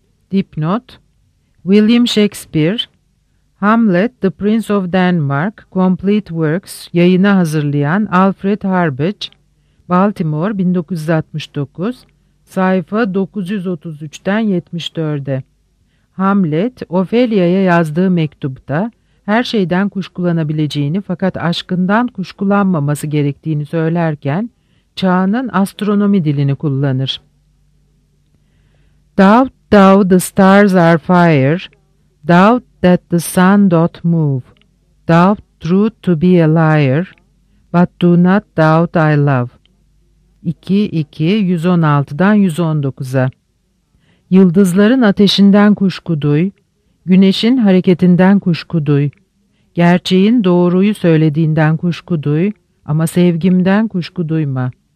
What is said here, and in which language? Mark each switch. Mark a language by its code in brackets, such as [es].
[tr] Dipnot: William Shakespeare, Hamlet, The Prince of Denmark, Complete Works yayını hazırlayan Alfred Harbage, Baltimore 1969, sayfa 933'ten 74'e. Hamlet, Ophelia'ya yazdığı mektupta her şeyden kuşkulanabileceğini fakat aşkından kuşkulanmaması gerektiğini söylerken çağının astronomi dilini kullanır. [en] Doubt thou the stars are fire, doubt that the sun doth move, doubt truth to be a liar, but do not doubt I love. [tr] 2.2 116'dan 119'a. Yıldızların ateşinden kuşku duy, güneşin hareketinden kuşku duy, gerçeğin doğruyu söylediğinden kuşku duy ama sevgimden kuşku duyma.